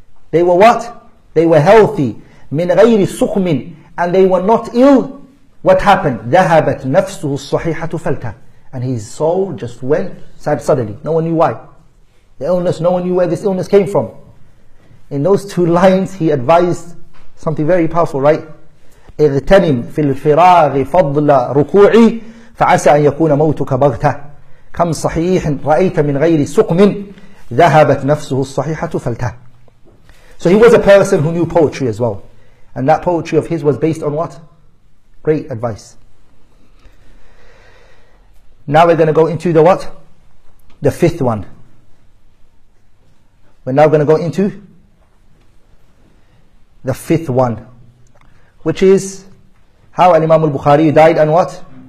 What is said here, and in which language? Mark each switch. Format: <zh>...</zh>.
<en>They were what? They were healthy.</en> <ar>من غير سقم,</ar> <en>and they were not ill. What happened?</en> <ar>ذهبت نفسه الصحيحة فلتة.</ar> <en>And his soul just went sad suddenly. No one knew why. The illness, no one knew where this illness came from. In those two lines, he advised something very powerful, right?</en> <ar>اغتنم في الفراغ فضل ركوعي فعسى أن يكون موتك بغتة. كم صحيح رأيت من غير سقم ذهبت نفسه الصحيحة فلتة.</ar> <en>So he was a person who knew poetry as well. And that poetry of his was based on what? Great advice. Now we're going to go into the what? The fifth one. We're now going to go into the fifth one, which is how Imam al-Bukhari died and what?</en>